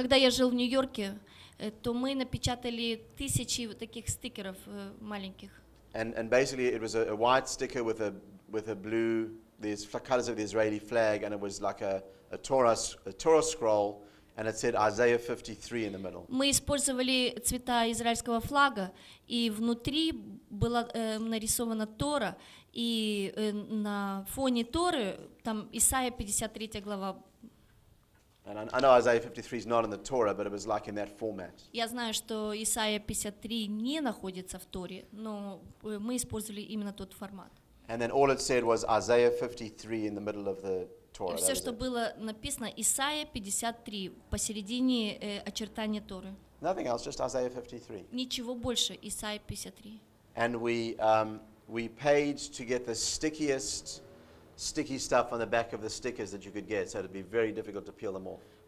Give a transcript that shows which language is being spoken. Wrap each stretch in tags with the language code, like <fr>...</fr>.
<ru>Когда я жил в Нью-Йорке, то мы напечатали тысячи вот таких стикеров маленьких.</ru> <en>And basically, it was a white sticker with a blue, these colors of the Israeli flag, and it was like a Torah scroll, and it said Isaiah 53 in the middle.</en> <ru>Мы использовали цвета израильского флага, и внутри была нарисована Тора. И на фоне Торы там Исаия 53 глава.</ru> <en>And I know Isaiah 53 is not in the Torah, but it was like in that format.</en> <ru>Я знаю, что Исаия 53 не находится в Торе, но мы использовали именно тот формат.</ru> <en>And then all it said was Isaiah 53 in the middle of the Torah.</en> <ru>И все, что было написано, Исаия 53 посередине очертания Торы.</ru> <en>Nothing else, just Isaiah 53.</en> <ru>Ничего больше, Исаия 53.</ru> <en>And we paid to get the stickiest sticky stuff on the back of the stickers that you could get, so it'd be very difficult to peel them off.</en>